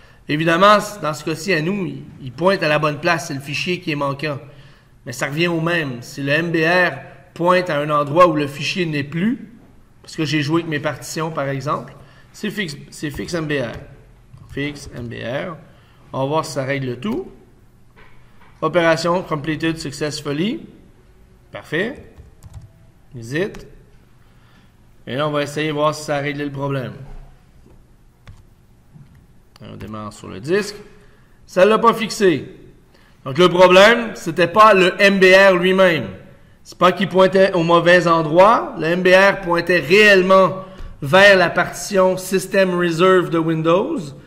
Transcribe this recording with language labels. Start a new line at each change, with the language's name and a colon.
French: Évidemment, dans ce cas-ci, à nous, il pointe à la bonne place. C'est le fichier qui est manquant. Mais ça revient au même. Si le MBR pointe à un endroit où le fichier n'est plus, parce que j'ai joué avec mes partitions, par exemple, c'est fixmbr. Fixmbr. On va voir si ça règle le tout.
English: Opération completed successfully.
French: Parfait. Exit. Et là, on va essayer de voir si ça a réglé le problème. On démarre sur le disque. Ça ne l'a pas fixé. Donc, le problème, c'était pas le MBR lui-même. C'est pas qu'il pointait au mauvais endroit. Le MBR pointait réellement vers la partition System Reserve de Windows.